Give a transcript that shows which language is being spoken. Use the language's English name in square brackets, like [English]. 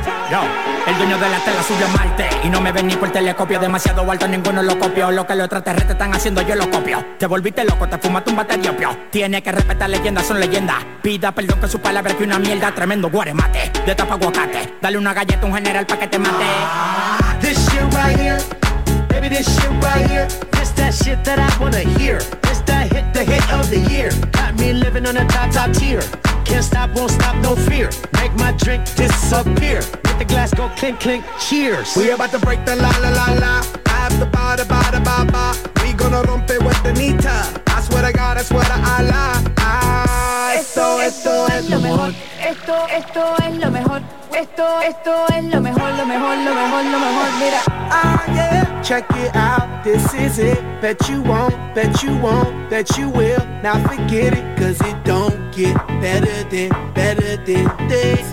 [Spanish] Yo, el dueño de la tela subió a Marte y no me ven ni por el telescopio. Demasiado alto, ninguno lo copió. Lo que los extraterrestres están haciendo, yo lo copio. Te volviste loco, te fumaste un bate de opio. Tiene que respetar leyendas, son leyendas. Pida perdón que su palabra que una mierda. Tremendo guaremate, de tapa aguacate. Dale una galleta a un general pa' que te mate. [English] This shit right here, baby, this shit right here. This that shit that I wanna hear. This that hit, the hit of the year. Got me living on a top tier. Can't stop, won't stop, no fear. Make my drink disappear. Let the glass go clink, clink, cheers. We about to break the la-la-la-la. After ba-da-ba-da-ba-ba. We gonna rompe with the nita. I swear to God, I swear to Allah. Ah, [Spanish] esto es lo mejor. Esto es lo mejor. Esto es lo mejor, lo mejor, lo mejor, lo mejor. Mira. [English] Ah, yeah. Check it out, this is it. Bet you won't, bet you won't, bet you will. Now forget it, cause it don't get better than this.